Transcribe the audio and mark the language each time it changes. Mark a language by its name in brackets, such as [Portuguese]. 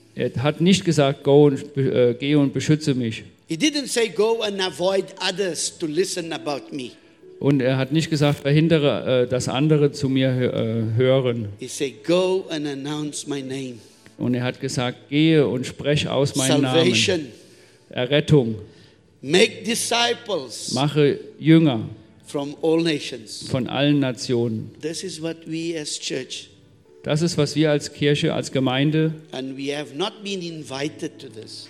[German] Er hat nicht gesagt, geh und beschütze mich. [English] He didn't say, go and avoid others to listen about me. [German] Und er hat nicht gesagt, verhindere, dass andere zu mir hören. [English] He said, go and announce my name. [German] Und er hat gesagt, gehe und spreche aus meinem [English] Salvation. [German] Namen. Errettung. [English] Make disciples. [German] Mache Jünger. [English] From all nations. [German] Von allen Nationen. [English] This is what we as church. [German] Das ist, was wir als Kirche, als Gemeinde, [English] and we have not been invited to this.